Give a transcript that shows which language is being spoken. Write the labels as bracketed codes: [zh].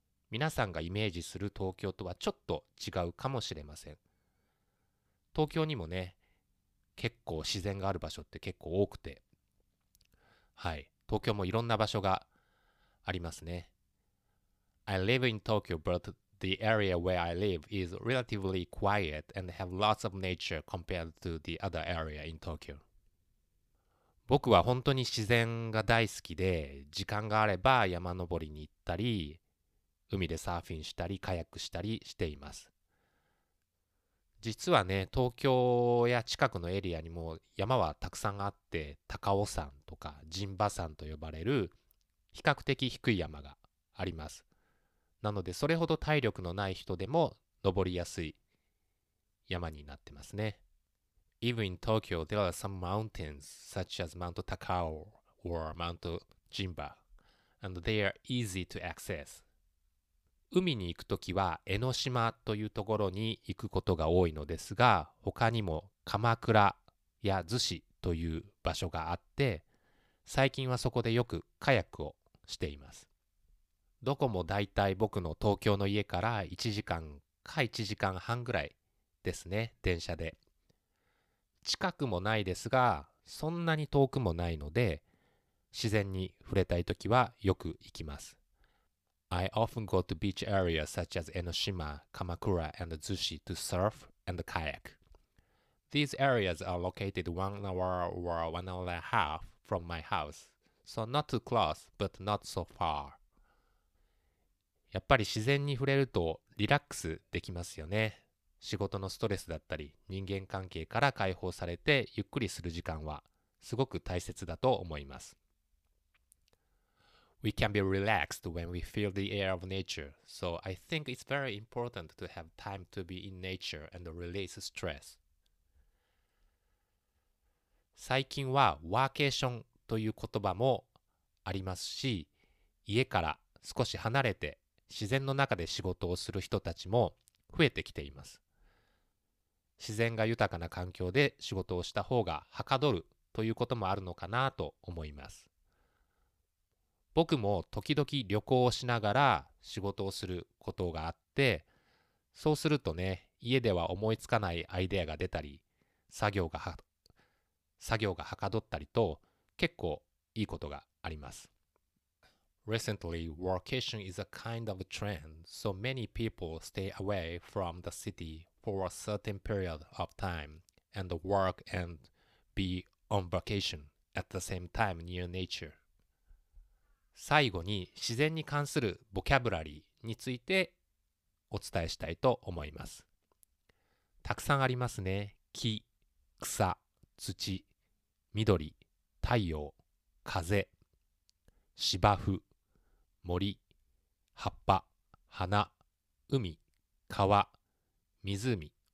[ja] 皆さんがイメージする東京とはちょっと違うかもしれません。東京にもね、結構自然がある場所って結構多くて、はい、東京もいろんな場所がありますね。 [en] I live in Tokyo, but the area where I live is relatively quiet and have lots of nature compared to the other area in Tokyo. [ja] 僕は本当に自然が大好きで、時間があれば山登りに行ったり、海でサーフィンしたり、カヤックしたりしています。実はね、東京や近くのエリアにも山はたくさんあって、高尾山とか陣馬山と呼ばれる比較的低い山があります。なのでそれほど体力のない人でも登りやすい山になってますね。 [en] Even in Tokyo, there are some mountains such as Mount Takao or Mount Jinba, and they are easy to access. [ja] 海に行くときは江ノ島というところに行くことが多いのですが、他にも鎌倉や逗子という場所があって、最近はそこでよくカヤックをしています。どこもだいたい僕の東京の家から1時間か1時間半ぐらいですね、電車で。近くもないですが、そんなに遠くもないので、自然に触れたいときはよく行きます。 [en] I often go to beach areas such as 江ノ島、鎌倉 and 逗子 to surf and kayak. These areas are located 1 hour or 1.5 hours from my house, so not too close, but not so far. [ja] やっぱり自然に触れるとリラックスできますよね。仕事のストレスだったり、人間関係から解放されてゆっくりする時間はすごく大切だと思います。 [en] We can be relaxed when we feel the air of nature, so I think it's very important to have time to be in nature and release stress. [ja] 最近はワーケーションという言葉もありますし、家から少し離れて自然の中で仕事をする人たちも増えてきています。自然が豊かな環境で仕事をした方がはかどるということもあるのかなと思います。僕も時々旅行をしながら仕事をすることがあって、そうするとね、家では思いつかないアイデアが出たり、作業がはかどったりと結構いいことがあります。 [en] Recently, workation is a kind of trend, so many people stay away from the city for a certain period of time and work and be on vacation at the same time near nature. [ja] 最後に自然に関するボキャブラリーについてお伝えしたいと思います。たくさんありますね。木、草、土、緑、太陽、風、芝生、森、葉っぱ、花、海、川、湖。